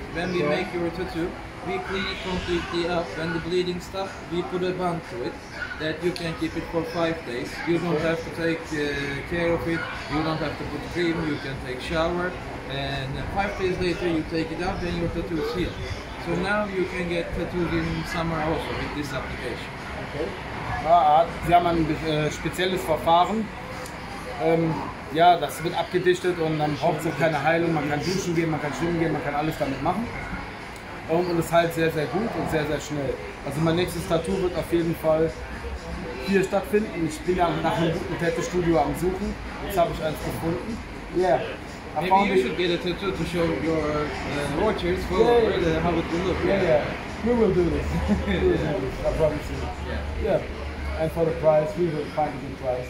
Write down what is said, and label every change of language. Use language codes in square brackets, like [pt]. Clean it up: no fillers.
[en] When we make your tattoo, we clean it completely up. When the bleeding stops, we put a band to it that you can keep it for 5 days. You don't have to take care of it. You don't have to put cream. You can take shower. And 5 days later, you take it out and your tattoo is healed. So now you can get tattooed in summer also with this application. [de] Okay. Sie haben ein spezielles Verfahren. Das wird abgedichtet und dann braucht es auch keine Heilung. Man kann duschen gehen, man kann schwimmen gehen, man kann alles damit machen. Und es heilt sehr, sehr gut und sehr, sehr schnell. Also mein nächstes Tattoo wird auf jeden Fall hier stattfinden. Ich bin ja nach einem guten Tattoo-Studio am Suchen. Jetzt habe ich eins gefunden. Yeah. [en] Maybe you should get a tattoo to show your watchers how it will look. We will do this. I promise you. And for the price, we will find a good price.